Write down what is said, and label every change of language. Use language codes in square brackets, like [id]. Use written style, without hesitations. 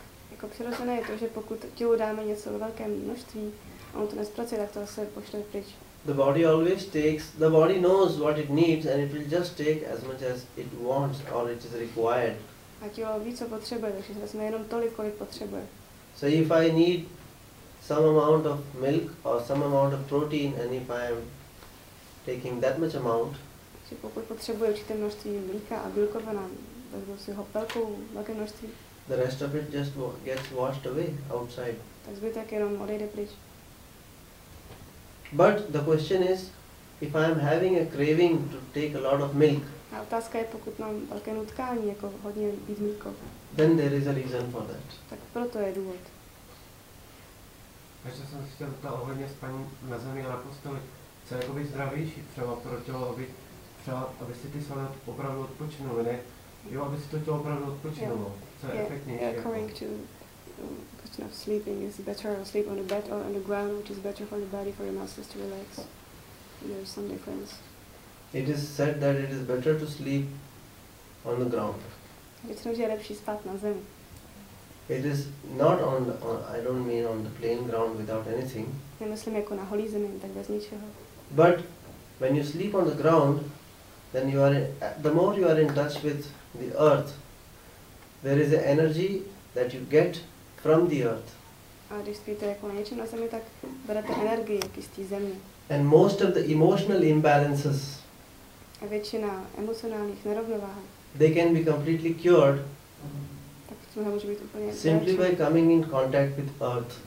[cs] Jako přirozené je to, že pokud tělu dáme něco ve velkém množství, ono to nespracuje, tak to se pošle pryč. [en] The body always takes, the body knows what it needs and it will just take as much as it wants or it is required. [cs] A tělo ví, co potřebuje, takže se vezme jenom tolik, kolik potřebuje. [en] So if I need some amount of milk or some amount of protein and if I am taking that much amount, [cs] že pokud potřebuje určité množství mlíka a bílkovina, vezmu si ho velké množství. [en] The rest of it just gets washed away outside. [cs] Tak zbytek jenom odejde pryč. [en] But the question is, if I am having a craving to take a lot of milk. [cs] A otázka je, pokud mám velké nutkání, jako hodně pít mlíko. [en] Then there is a reason for that. [cs] Tak proto je důvod. Takže jsem si chtěl ptal ohledně spaní na zemi a na posteli. Co je jakoby zdravější třeba pro tělo, aby si ty svaly opravdu odpočinuly, ne? Jo, aby si to tělo opravdu odpočinulo. Yeah. Co je efektnější? [en] Yeah, according to question of sleeping, is better to sleep on the bed or on the ground, which is better for the body, for your muscles to relax. There is some difference. It is said that it is better to sleep on the ground. [cs] Většinou, že je lepší spát na zemi. [en] It is not on the, I don't mean on the plain ground without anything. [cs] Nemyslím jako na holý zemi, tak bez ničeho. [en] But when you sleep on the ground, then you are the more you are in touch with the earth, there is an energy that you get from the earth. [cs] A když spíte jako na něčem na zemi, tak berete energii jak z té země. [en] And most of the emotional imbalances. [cs] A většina emocionálních nerovnováh. [en] They can be completely cured. [cs] Tak to může být úplně. [en] Simply by coming in contact with earth.